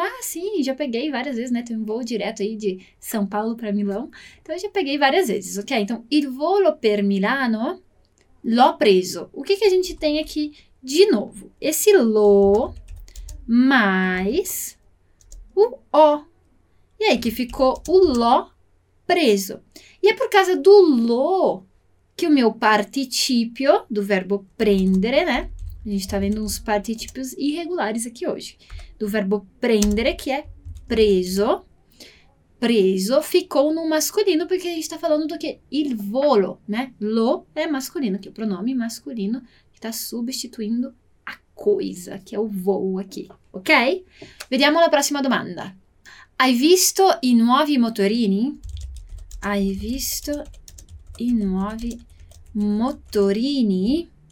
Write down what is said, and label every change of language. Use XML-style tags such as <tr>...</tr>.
<pt>Ah, sim, já peguei várias vezes, né? Tem um voo direto aí de São Paulo para Milão. Então, eu já peguei várias vezes, ok?</pt> <it>Então, il volo per Milano l'ho preso.</it> <pt>O que que a gente tem aqui de novo? Esse lo mais o ó. E aí que ficou o lo preso. E é por causa do lo que o meu participio do verbo prendere, né? A gente tá vendo uns participios irregulares aqui hoje. Do verbo prendere, que é preso, preso, ficou no masculino, porque a gente tá falando do quê? Il volo, né? Lo é masculino, que é o pronome masculino que tá substituindo a</pt> <it>coisa, che è un voo aqui, ok? Vediamo la prossima domanda. Hai visto i nuovi motorini? Hai visto i nuovi motorini?</it>